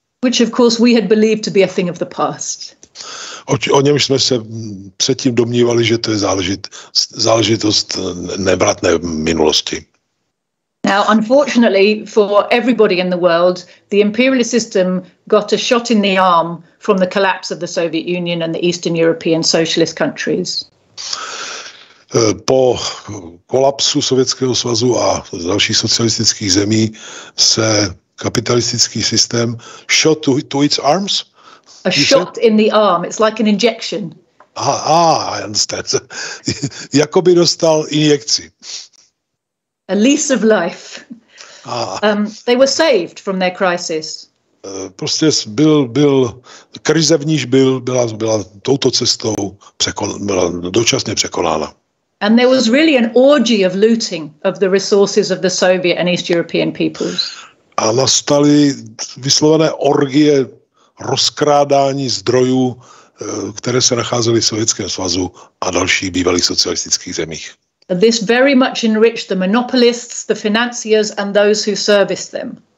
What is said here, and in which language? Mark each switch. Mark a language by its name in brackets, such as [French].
[English] Which of course we had believed to be a thing of the past. [Czech] O něm jsme se předtím domnívali, že to je záležitost nevratné minulosti. [English] Now, unfortunately for everybody in the world, the imperialist system got a shot in the arm from the collapse of the Soviet Union and the Eastern European socialist countries. [Czech] Po kolapsu Sovětského svazu a dalších socialistických zemí se kapitalistický systém [English] shot to its arms? A shot in the arm. It's like an injection. I understand. [Czech] Jakoby dostal injekci. [English] A lease of life. They were saved from their crisis. [Czech] Prostě byl krize v níž byla touto cestou byla dočasně překonána. [English] And there was really an orgy of looting of the resources of the Soviet and East European peoples. [Czech] A nastaly vyslovené orgie rozkrádání zdrojů, které se nacházely v Sovětském svazu a dalších bývalých socialistických zemích. [English] This very much enriched the monopolists, the financiers and those who serviced them.